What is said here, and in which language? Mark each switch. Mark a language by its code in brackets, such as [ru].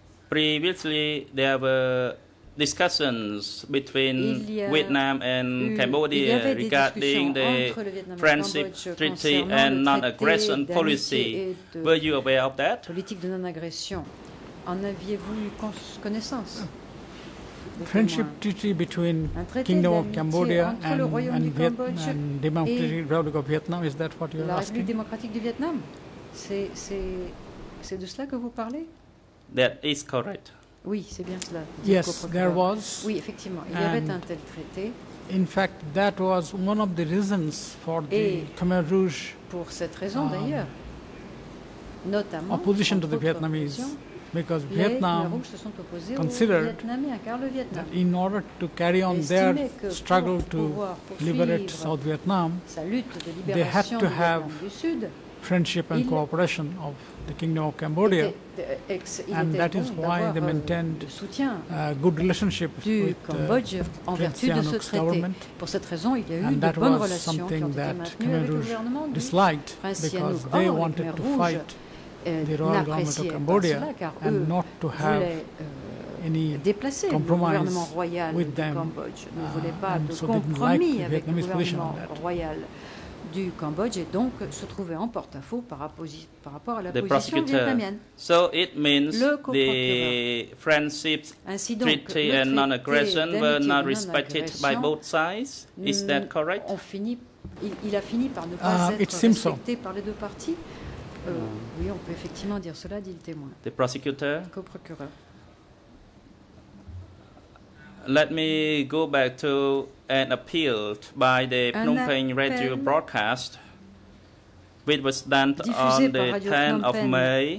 [en] Previously, there were discussions between Vietnam and Cambodia regarding the friendship treaty and non-aggression policy. Were you aware of that? [fr] Politique de non-agression. En aviez-vous connaissance? [en] Friendship treaty between Kingdom of Cambodia and Democratic Republic of Vietnam, is that what you're asking? [fr] La République démocratique du Vietnam, c'est de cela que vous parlez? [en] That is correct. [fr] Oui, c'est bien cela. [en] Yes, there was. [fr] Oui, effectivement, il y avait un tel traité. [en] In fact, that was one of the reasons for the Khmer Rouge. [fr] Pour cette raison d'ailleurs, notamment. [en] Opposition to the Vietnamese. Because Vietnam considered that in order to carry on their struggle to liberate South Vietnam, they had to have friendship and cooperation of the Kingdom of Cambodia, and that is why they maintained a good relationship with Sihanouk's government. And that was something that Khmer Rouge disliked because they wanted to fight the Royal Government of Cambodia and not to have any compromise with them. [fr] Ne voulait pas de compromis avec le gouvernement royal du Cambodge et donc se trouvait en porte-à-faux par rapport à la position vietnamienne. [en] So it means the friendship treaty and non-aggression were not respected by both sides. Is that correct? [fr] Il a fini par ne pas être respecté par les deux parties. Oui, on peut effectivement dire cela, dit le témoin. [en] The prosecutor. [fr] Co-procureur. [en] Let me go back to an appeal by the Phnom Penh radio broadcast, which was done on the 10th of May,